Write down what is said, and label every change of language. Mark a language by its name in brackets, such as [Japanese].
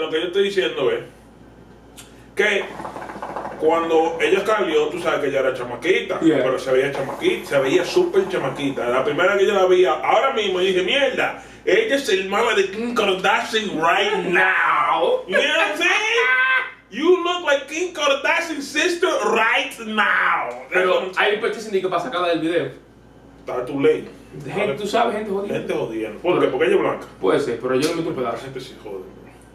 [Spanish] Lo que yo estoy diciendo es que cuando ella salió, tú sabes que ella era chamaquita. [English] Yeah. [Spanish] Pero se veía chamaquita, se veía súper chamaquita. La primera que yo la veía ahora mismo, yo dije, mierda, ella es el mama de Kim Kardashian [English] right now. You know what I'm saying? You look like Kim Kardashian's sister right now. [Spanish] Pero hay un petición de que para sacarla del video. Está [English] too late. [Spanish] Gente, tú sabes, gente jodida. Gente jodida. ¿Por qué? Porque ella es blanca. Puede ser, pero yo le meto un pedazo. La gente se jode. Bro.